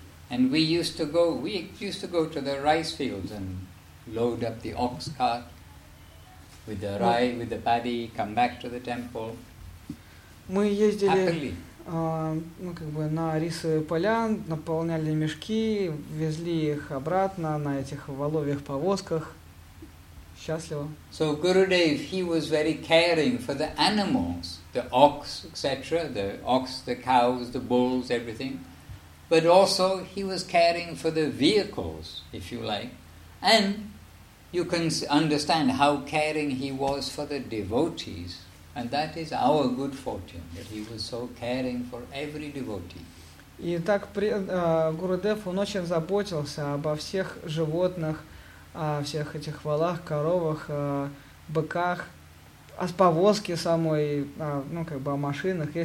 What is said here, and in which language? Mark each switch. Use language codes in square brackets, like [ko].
[en] And we used to go to the rice fields and load up the ox cart with the rye, with the paddy, come back to the temple. [ru] Мы ездили... ну, как бы на рисовые поля, наполняли мешки, везли их обратно на этих воловьих повозках. Счастливо. [en] So Gurudev, he was very caring for the animals, the ox, etc., the ox, the cows, the bulls, everything. But also he was caring for the vehicles, if you like. And you can understand how caring he was for the devotees. And that is our good fortune, that he was so caring for every devotee. [ru] И так Гурудев, он очень заботился обо всех животных, о всех этих валах, коровах, быках, о повозке самой, ну как бы о машинах.